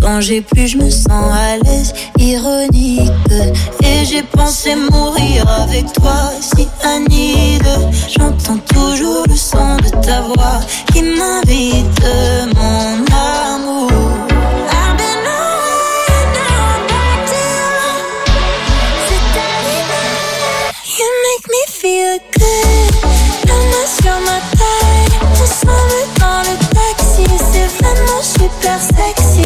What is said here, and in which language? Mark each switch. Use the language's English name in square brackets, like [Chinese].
[French] Et plus je me sens à l'aise, ironique. Et j'ai pensé mourir avec toi, cyanide. J'entends toujours le son de ta voix qui m'invite, mon amour. [English] I've been away, now I'm back to you. [French] C'est arrivé. [English] You make me feel good. [French] La main sur ma taille, on s'enlève dans le taxi. C'est vraiment super sexy.